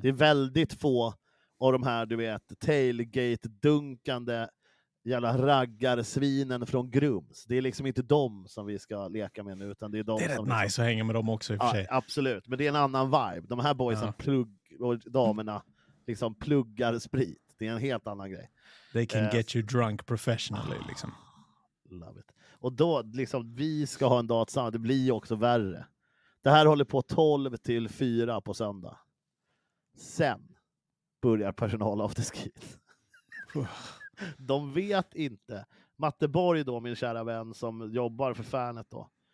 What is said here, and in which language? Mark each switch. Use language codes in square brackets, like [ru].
[sv] Det är väldigt få av de här, du vet, tailgate-dunkande jävla raggarsvinen från Grums. Det är liksom inte de som vi ska leka med nu, utan det är de som... Det är som rätt liksom... nice att hänga med dem också i och för sig. Absolut, men det är en annan vibe. De här boysen och damerna liksom pluggar sprit. Det är en helt annan grej. [en] They can get you drunk professionally, [sv] liksom. Love it. Och då, liksom, vi ska ha en dag tillsammans. Det blir ju också värre. Det här håller på 12 till 4 på söndag. Sen börjar personal after ski. De vet inte. Matte Borg då, min kära vän, som jobbar för Färnet då.